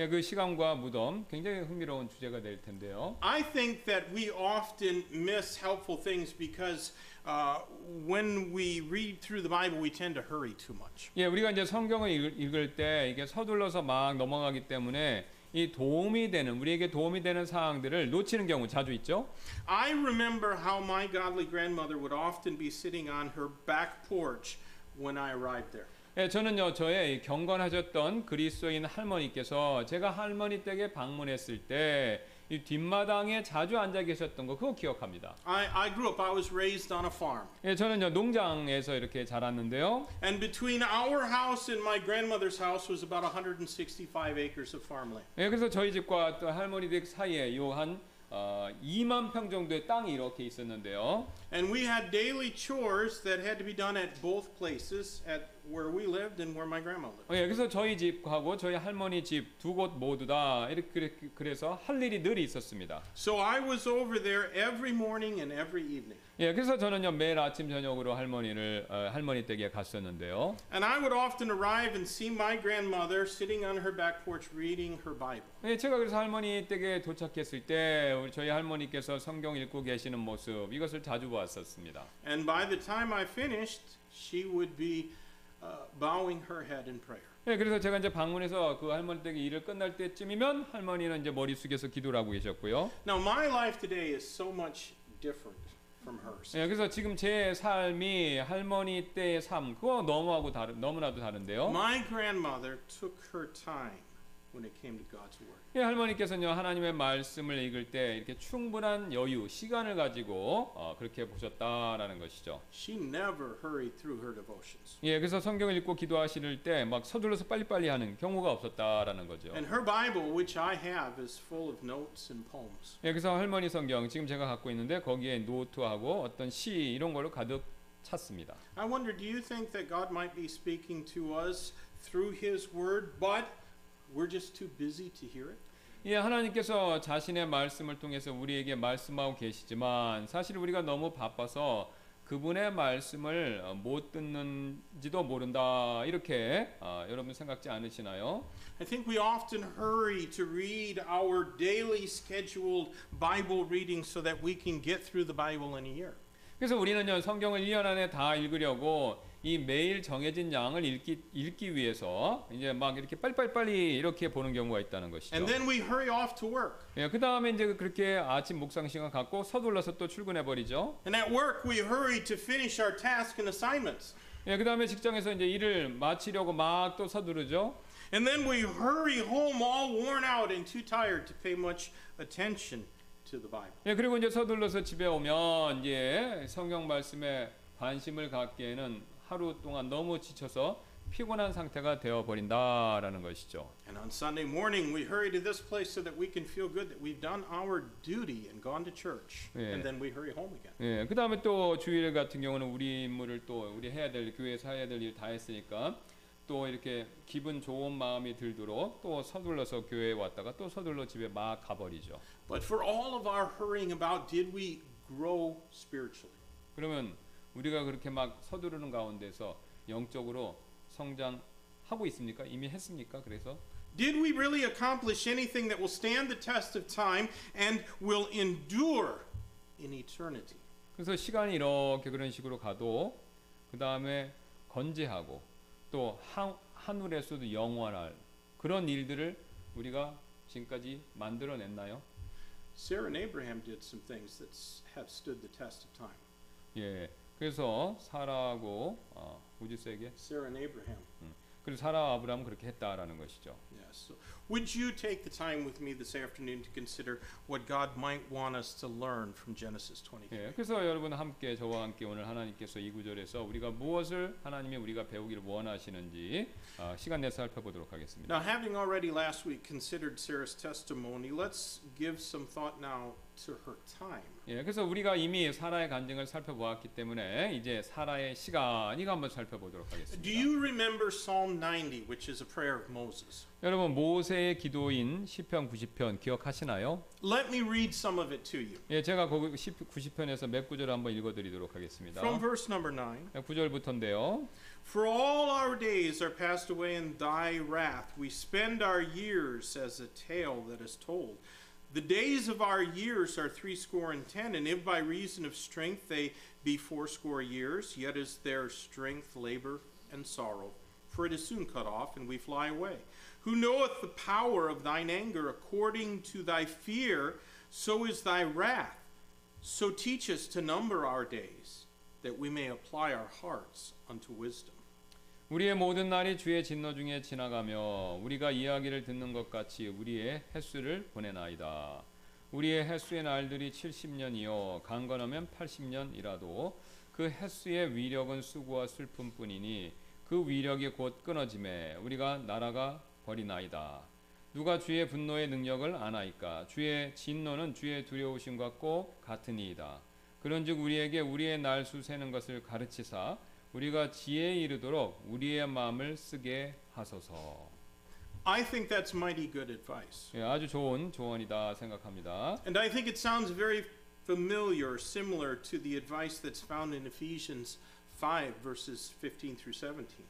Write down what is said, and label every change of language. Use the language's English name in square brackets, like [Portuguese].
[Korean] 예, 그 시간과 무덤 굉장히 흥미로운 주제가 될 텐데요. [English] I think that we often miss helpful things because when we read through the Bible, we tend to hurry too much. [Korean] 예, 우리가 이제 성경을 읽을 때 이게 서둘러서 막 넘어가기 때문에 이 도움이 되는 우리에게 도움이 되는 사항들을 놓치는 경우 자주 있죠. [English] I remember how my godly grandmother would often be sitting on her back porch. When I arrived there. [Korean] 예, 저는요 저의 경건하셨던 그리스도인 할머니께서 제가 할머니 댁에 방문했을 때 이 뒷마당에 자주 앉아 계셨던 거 그거 기억합니다. [English] I grew up. I was raised on a farm. [Korean] 예, 저는요 농장에서 이렇게 자랐는데요. [English] And between our house and my grandmother's house was about 165 acres of farmland. [Korean] 예, 그래서 저희 집과 또 할머니 댁 사이에 요 한 2만 평 정도의 땅이 이렇게 있었는데요. [English] And we had daily chores that had to be done at both places, at where we lived and where my grandma lived. [Korean] 예, 그래서 저희 집하고 저희 할머니 집 두 곳 모두 다 이렇게 그래서 할 일이 늘 있었습니다. [English] So I was over there every morning and every evening. [Korean] 예, 그래서 저는요 매일 아침 저녁으로 할머니를 할머니 댁에 갔었는데요. [English] And I would often arrive and see my grandmother sitting on her back porch reading her Bible. [Korean] 예, 제가 그래서 할머니 댁에 도착했을 때 우리 저희 할머니께서 성경 읽고 계시는 모습 이것을 자주 보았었습니다. [English] And by the time I finished, she would be bowing her head in prayer. [Korean] 네, 그래서 제가 이제 방문해서 그 할머니 댁에 일을 끝날 때쯤이면 할머니는 이제 머리 숙여서 기도를 하고 계셨고요. [English] Now my life today is so much different from hers. [Korean] 네, 그래서 지금 제 삶이 할머니 때의 삶 그거 너무하고 다른 너무나도 다른데요. [English] My grandmother took her time. When it came to God's word. [Korean] 예, 할머니께서는요 하나님의 말씀을 읽을 때 이렇게 충분한 여유, 시간을 가지고 그렇게 보셨다라는 것이죠. [English] She never hurried through her devotions. [Korean] 예, 그래서 성경을 읽고 기도하실 때 막 서둘러서 빨리빨리 하는 경우가 없었다라는 거죠. [English] And her Bible, which I have, is full of notes and poems. [Korean] 예, 그래서 할머니 성경 지금 제가 갖고 있는데 거기에 노트하고 어떤 시 이런 걸로 가득 찼습니다. [English] I wonder, do you think that God might be speaking to us through His word, but We're just too busy to hear it. [Korean] 예, 하나님께서 자신의 말씀을 통해서 우리에게 말씀하고 계시지만 사실 우리가 너무 바빠서 그분의 말씀을 못 듣는지도 모른다 이렇게 여러분 생각지 않으시나요? [English] I think we often hurry to read our daily scheduled Bible reading so that we can get through the Bible in a year. [Korean] 그래서 우리는요 성경을 1년 안에 다 읽으려고. 이 매일 정해진 양을 읽기 위해서 이제 막 이렇게 빨리빨리 이렇게 보는 경우가 있다는 것이죠. [English] And then we hurry off to work. [Korean] 예, 그다음에 이제 그렇게 아침 묵상 시간 갖고 서둘러서 또 출근해 버리죠. [English] And at work we hurry to finish our task and assignments. [Korean] 예, 그다음에 직장에서 이제 일을 마치려고 막 또 서두르죠. [English] And then we hurry home all worn out and too tired to pay much attention to the Bible. [Korean] 예, 그리고 이제 서둘러서 집에 오면 이제 성경 말씀에 관심을 갖기에는 하루 동안 너무 지쳐서 피곤한 상태가 되어 버린다라는 것이죠. [English] And on Sunday morning we hurry to this place so that we can feel good that we've done our duty and gone to church. 예. And then we hurry home again. [Korean] 예. 그다음에 또 주일 같은 경우는 우리 임무를 또 우리 해야 될 교회에서 해야 될 일 다 했으니까 또 이렇게 기분 좋은 마음이 들도록 또 서둘러서 교회에 왔다가 또 서둘러 집에 막 가버리죠. [English] But for all of our hurrying about did we grow spiritually? [Korean] 그러면 우리가 그렇게 막 서두르는 가운데서 영적으로 성장하고 있습니까? 이미 했습니까? 그래서 [English] Did we really accomplish anything that will stand the test of time and will endure in eternity? [Korean] 그래서 시간이 이렇게 그런 식으로 가도 그다음에 건재하고 또 하늘에서도 영원할 그런 일들을 우리가 지금까지 만들어 냈나요? [English] Sarah and Abraham did some things that have stood the test of time. [Korean] 예. 그래서 사라하고 우주 세계 [English] Sarah and Abraham. [Korean] 그리고 사라 아브라함 그렇게 했다라는 것이죠. [English] Yes. So would you take the time with me this afternoon to consider what God might want us to learn from Genesis 23? [Korean] 예, 그래서 여러분 함께 저와 함께 오늘 하나님께서 이 구절에서 우리가 무엇을 하나님이 우리가 배우기를 원하시는지 시간 내서 살펴보도록 하겠습니다. [English] Now having already last week considered Sarah's testimony, let's give some thought now to her time. [Korean] 예, 그래서 우리가 이미 사라의 간증을 살펴보았기 때문에 이제 사라의 시간 이거 한번 살펴보도록 하겠습니다. [English] Do you remember Psalm 90, which is a prayer of Moses? [Korean] 여러분 모세의 기도인 시편 90편 기억하시나요? [English] Let me read some of it to you. [Korean] 예, 제가 거기 90편에서 몇 구절을 한번 읽어드리도록 하겠습니다. [English] From verse number 9. [Korean] 예, 구절부터인데요. [English] For all our days are passed away in thy wrath. We spend our years as a tale that is told. The days of our years are 70, and if by reason of strength they be 80, yet is their strength labor and sorrow, for it is soon cut off, and we fly away. Who knoweth the power of thine anger according to thy fear, so is thy wrath. So teach us to number our days, that we may apply our hearts unto wisdom. [Korean] 우리의 모든 날이 주의 진노 중에 지나가며 우리가 이야기를 듣는 것 같이 우리의 횟수를 보내나이다. 우리의 횟수의 날들이 70년이요 강건하면 80년이라도 그 횟수의 위력은 수고와 슬픔뿐이니 그 위력이 곧 끊어짐에 우리가 날아가 버리나이다. 누가 주의 분노의 능력을 아나이까? 주의 진노는 주의 두려우심 같고 같으니이다. 그런즉 우리에게 우리의 날수 세는 것을 가르치사 우리가 지혜에 이르도록 우리의 마음을 쓰게 하소서. [English] I think that's mighty good advice. [Korean] 예, 아주 좋은 조언이다 생각합니다. [English] And I think it sounds very familiar, similar to the advice that's found in Ephesians 5 verses 15 through 17.